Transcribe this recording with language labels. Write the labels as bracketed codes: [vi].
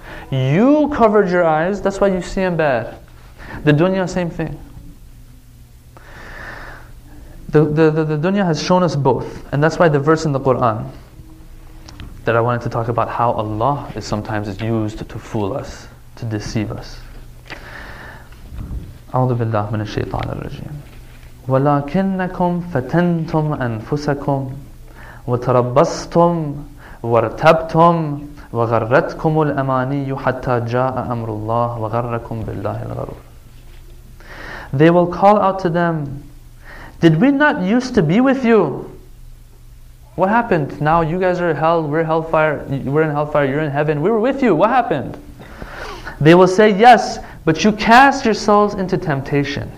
[en] You covered your eyes. That's why you see him bad. The dunya, same thing. The dunya has shown us both. And that's why the verse in the Quran that I wanted to talk about, how Allah is sometimes used to fool us, to deceive us. [ar] أعوذ بالله من الشيطان الرجيم. ولكنكم فتنتم أنفسكم وتربصتم وارتبتم وغرتكم الأماني حتى جاء أمر الله وغركم بالله الغرور. [en] They will call out to them, did we not used to be with you? What happened? Now you guys are hell, we're hellfire, we're in hellfire, you're in heaven, we were with you, what happened? They will say, yes, but you cast yourselves into temptation.